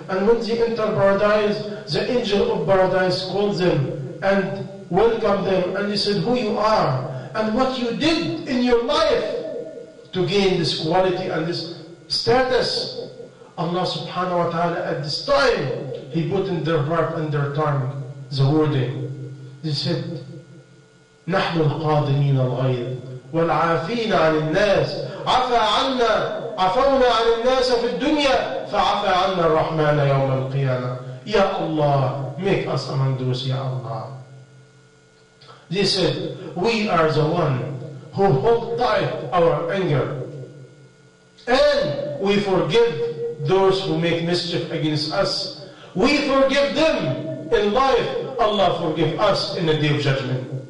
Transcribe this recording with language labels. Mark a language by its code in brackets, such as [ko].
[en] And when they enter paradise, the angel of paradise calls them and welcomes them. And he said, who you are and what you did in your life to gain this quality and this status. Allah subhanahu wa ta'ala at this time, He put in their heart and their tongue the wording. They said, [ar] نحن القادمين الغيظ والعافين عن الناس عفا عنا عفونا عن الناس في الدنيا فعفا عنا الرحمن يوم القيامة. [en] Ya Allah, make us among those, Ya Allah. They said, we are the one who hold tight our anger and we forgive those who make mischief against us. We forgive them in life. Allah forgive us in the Day of Judgment.